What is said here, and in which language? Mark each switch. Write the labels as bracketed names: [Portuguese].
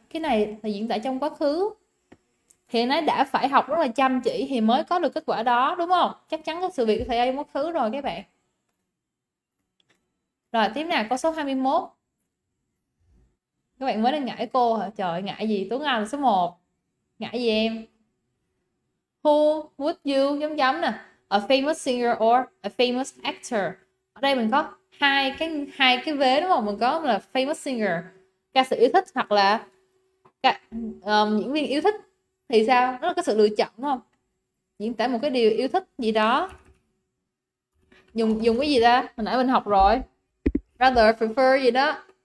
[Vietnamese] Cái này là diễn tả trong quá khứ. Thì nó đã phải học rất là chăm chỉ thì mới có được kết quả đó, đúng không? Chắc chắn có sự việc xảy ra quá khứ rồi các bạn. Rồi tiếp nào, câu số 21. Các bạn mới đang ngại cô hả? Trời ngại gì, Tuấn Anh là số 1. Ngại gì em? [English] Who would you [Vietnamese] chấm chấm nè, [English] a famous singer or a famous actor. [Vietnamese] Ở đây mình có hai cái vế đúng không, mình có là famous singer, ca sĩ yêu thích, hoặc là diễn viên yêu thích, thì sao, nó là cái sự lựa chọn đúng không, diễn tả một cái điều yêu thích gì đó, dùng dùng cái gì ta, hồi nãy mình học rồi, rather prefer gì đó.